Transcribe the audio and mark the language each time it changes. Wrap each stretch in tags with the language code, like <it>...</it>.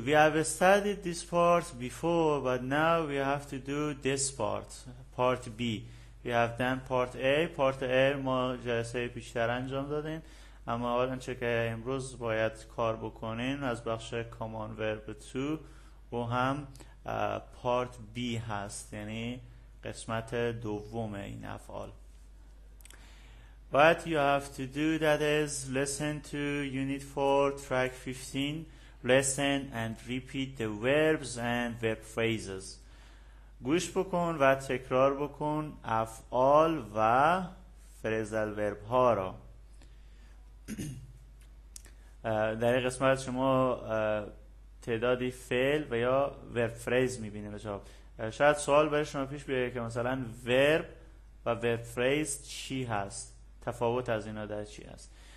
<en>We have studied this part before but now we have to do this part, part B. We have done part A.</en> <fa>Part A ما جلسه پیشتر انجام دادیم، اما اولا چه که امروز باید کار بکنین از بخش common verb to و هم part B هست، یعنی قسمت دوم این افعال.</fa> <en>What you have to do that is listen to unit 4 track 15, listen and repeat the verbs and verb phrases.</en> <fa>گوش بکن و تکرار بکن افعال و phrasal verb ها را. در این قسمت شما تعدادی فعل و یا ورب فریز میبینیم. شاید سوال برای شما پیش بیاید که مثلا ورب و ورب فریز چی هست، تفاوت از اینا در چی هست.</fa>